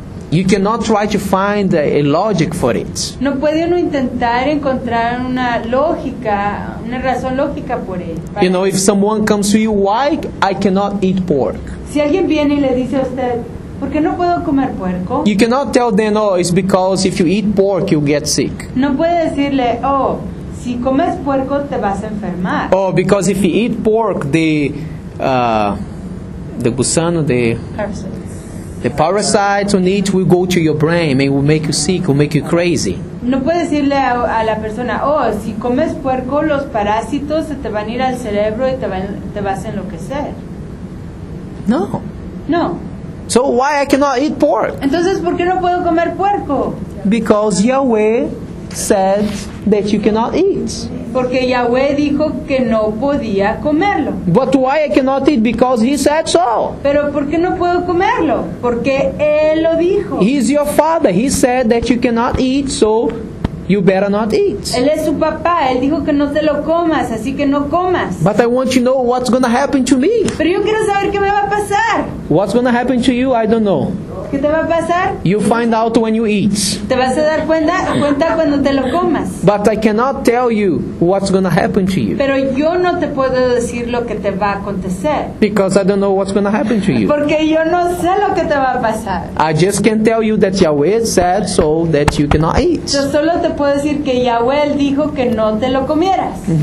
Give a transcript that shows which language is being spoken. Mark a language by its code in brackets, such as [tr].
[en] You cannot try to find a logic for it. [es] No puede uno intentar encontrar una lógica, una razón lógica por él. [en] You know, if someone comes to you, why I cannot eat pork? [es] Si alguien viene y le dice a usted, Porque no puedo comer puerco. [en] You cannot tell them, oh, it's because if you eat pork, you get sick. [es] No puede decirle, oh, si comes puerco, te vas a enfermar. [en] Oh, because if you eat pork, the gusano, the parasites. The parasites on it will go to your brain. It will make you sick, will make you crazy. [es] No puede decirle a la persona, oh, si comes puerco, los parásitos se te van a ir al cerebro y te vas a enloquecer. No. No. [en] So why I cannot eat pork? [es] Entonces, ¿por qué no puedo comer puerco? [en] Because Yahweh said that you cannot eat. [es] Porque Yahweh dijo que no podía comerlo. [en] But why I cannot eat? Because he said so. [es] Pero ¿por qué no puedo comerlo? Porque él lo dijo. [en] He is your father. He said that you cannot eat, so you better not eat. [es] Él es su papá. Él dijo que no te lo comas, así que no comas. [en] But I want to know what's going to happen to me. [es] Pero yo quiero saber qué me va a pasar. [en] What's going to happen to you? I don't know. [es] ¿Qué te va a pasar? [en] You find out when you eat. [es] Te vas a dar cuenta cuando te lo comas. [en] But I cannot tell you what's going to happen to you. [es] Pero yo no te puedo decir lo que te va a acontecer. [en] Because I don't know what's going to happen to you. [es] Porque yo no sé lo que te va a pasar. [en] I just can tell you that Yahweh said so that you cannot eat. [es] Yo solo te puedo decir que Yahweh dijo que no te lo comieras.